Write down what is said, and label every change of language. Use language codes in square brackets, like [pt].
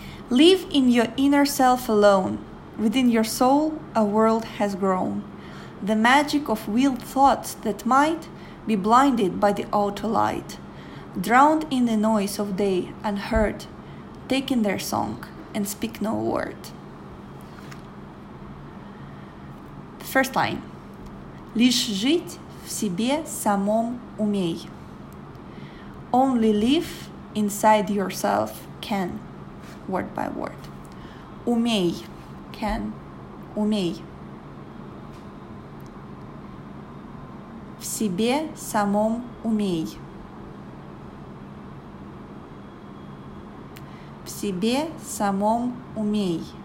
[en] Live in your inner self alone. Within your soul, a world has grown. The magic of wheeled thoughts that might be blinded by the outer light. drowned in the noise of day, unheard, taking their song and speak no word. First line. [ru] Лишь жить в себе самом умей. [en] Only live inside yourself can, word by word. [ru] Умей, can, умей. В себе самом умей. В себе самом умей.